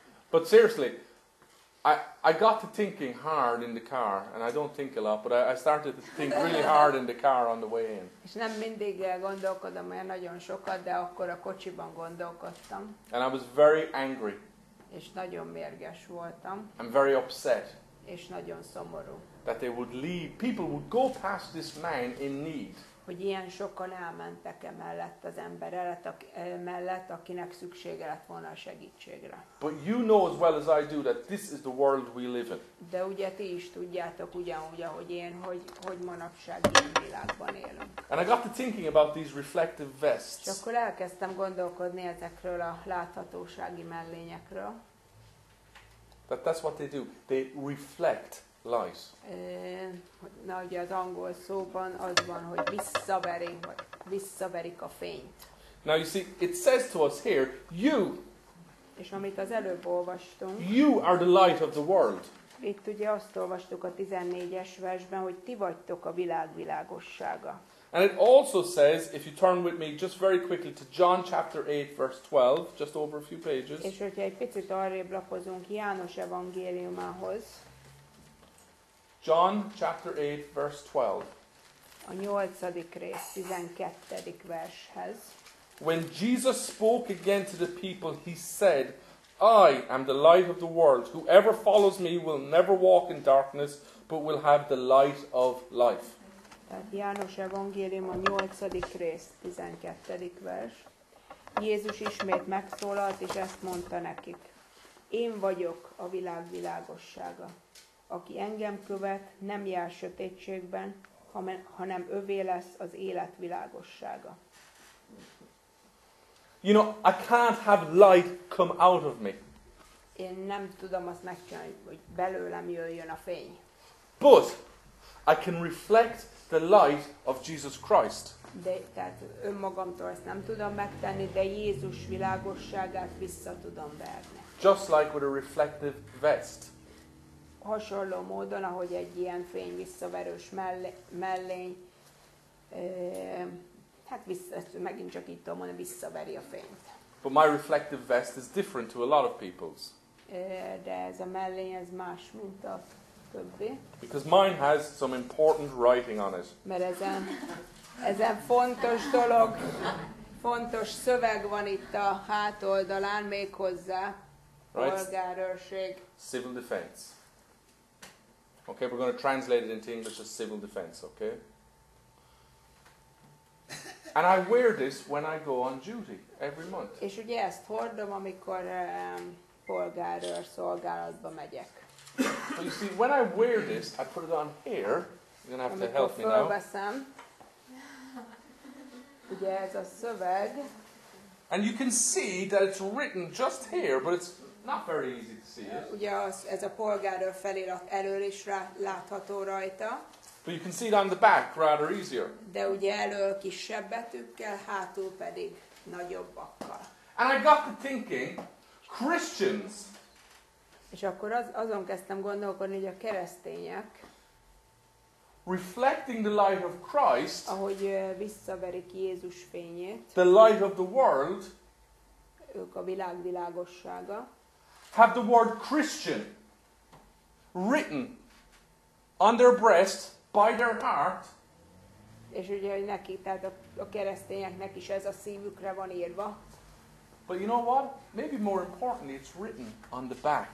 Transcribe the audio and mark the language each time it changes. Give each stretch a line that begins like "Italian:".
English: But seriously, I got to thinking hard in the car, and I don't think a lot, but I started to think really hard in the car on the way in.
Hungarian: És nem mindig gondolkodom olyan nagyon sokat, de akkor a kocsiban gondolkodtam.
English: And I was very angry.
Hungarian: És nagyon mérges voltam.
English: I'm very upset.
Hungarian: És nagyon szomorú.
English: That they would leave, people would go past this man in need.
Hungarian: Hogy ilyen sokan elmentek emellett az ember mellett, akinek szüksége lett volna a segítségre.
English: But you know as well as I do that this is the world we live in.
Hungarian: De ugye ti is tudjátok ugyanúgy, ahogy én, hogy manapság ilyen világban élünk.
English: And I got to thinking about these reflective vests.
Hungarian: És akkor elkezdtem gondolkodni ezekről a láthatósági mellényekről.
English: That that's what they do. They reflect. Lies.
Hungarian: Na, ugye az angol szóban az van, hogy visszaverik a fényt.
English: Now you see, it says to us here, you.
Hungarian: És amit az előbb olvastunk.
English: You are the light of the world.
Hungarian: Itt ugye azt olvastuk a 14-es versben, hogy ti vagytok a világ világossága.
English: And it also says, if you turn with me just very quickly to John chapter 8 verse 12, just over a few pages.
Hungarian: És hogyha egy picit arrébb lapozunk János evangéliumához.
English: John chapter 8 verse 12.
Hungarian: A 8. rész 12. vershez.
English: When Jesus spoke again to the people, he said, I am the light of the world. Whoever follows me will never walk in darkness, but will have the light of life.
Hungarian: Tehát János evangélium a 8. rész 12. vers. Jézus ismét megszólalt, és ezt mondta nekik. Én vagyok a világ világossága. Aki engem követ, nem jár sötétségben, hanem övé lesz az élet világossága.
English: You know, I can't have light come out of me.
Hungarian: Én nem tudom azt megcsinálni, hogy belőlem jöjjön a fény.
English: But I can reflect the light of Jesus Christ.
Hungarian: De tehát önmagamtól ezt nem tudom megtenni, de Jézus világosságát vissza tudom verni.
English: Just like with a reflective vest.
Hungarian: Hasonló módon, ahogy egy ilyen fény visszaverős mellény, hát megint csak így tudom mondani, visszaveri a fényt.
English: But my reflective vest is different to a lot of people's.
Hungarian: De ez a mellény, ez más, mint a többi.
English: Because mine has some important writing on it.
Hungarian: Mert ezen fontos dolog, fontos szöveg van itt a hátoldalán, méghozzá,
English: right.
Hungarian: Polgárőrség.
English: Civil defense. Okay, we're going to translate it into English as civil defense, okay? And I wear this when I go on duty every month.
Hungarian: És ugye ezt hordom, amikor polgárőr szolgálatba megyek.
English: So you see, when I wear this, I put it on here. You're going to have to help me now.
Hungarian: Ugye ez a szöveg.
English: And you can see that it's written just here, but it's not very easy.
Hungarian: Ugye ez a polgárőr felirat elől is látható rajta.
English: But you can see it on the back rather easier.
Hungarian: De ugye elől kisebb betűkkel, hátul pedig nagyobbakkal.
English: And I got to thinking, Christians.
Hungarian: És akkor azon kezdtem gondolkodni, hogy a keresztények.
English: Reflecting the light of Christ.
Hungarian: Ahogy visszaverik Jézus fényét.
English: The light of the world.
Hungarian: Ők a világ világossága.
English: Have the word Christian written on their breast by their heart.
Hungarian: És ugye neki, tehát a keresztényeknek is ez a szívükre van írva.
English: But you know what? Maybe more importantly, it's written on the back.